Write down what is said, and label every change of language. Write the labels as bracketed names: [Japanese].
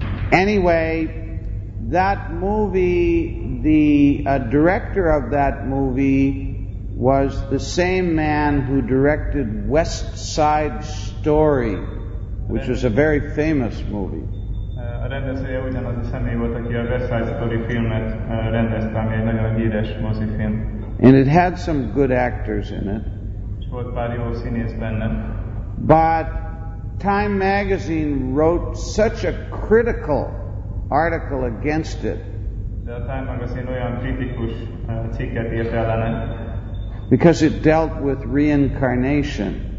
[English] Anyway, that movie, the director of that movie was the same man who directed West Side Story, which was a very famous movie. [Hungarian] A rendezője ugyanaz a személy volt, aki a West Side Story filmet rendezte, ami egy nagyon híres mozifilm. [English] And it had some good actors in it. [Hungarian] És volt pár jó színész benne. [English] But Time magazine wrote such a critical article against it. [Hungarian] De a Time magazine olyan kritikus cikket írt ellene. [English] Because it dealt with reincarnation.